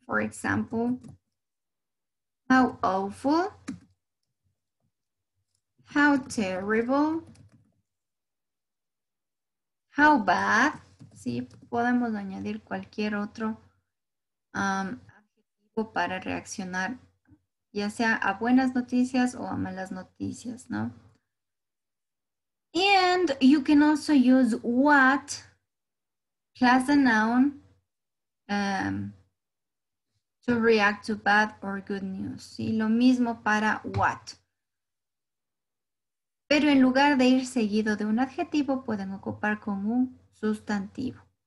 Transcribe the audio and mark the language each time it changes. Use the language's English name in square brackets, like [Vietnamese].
[English] For example, how awful, how terrible, how bad. [Spanish] Sí, podemos añadir cualquier otro adjetivo para reaccionar, ya sea a buenas noticias o a malas noticias, ¿no? [English] And you can also use what plus a noun to react to bad or good news. [Spanish] Y lo mismo para what. Pero en lugar de ir seguido de un adjetivo, pueden ocupar con un sustantivo.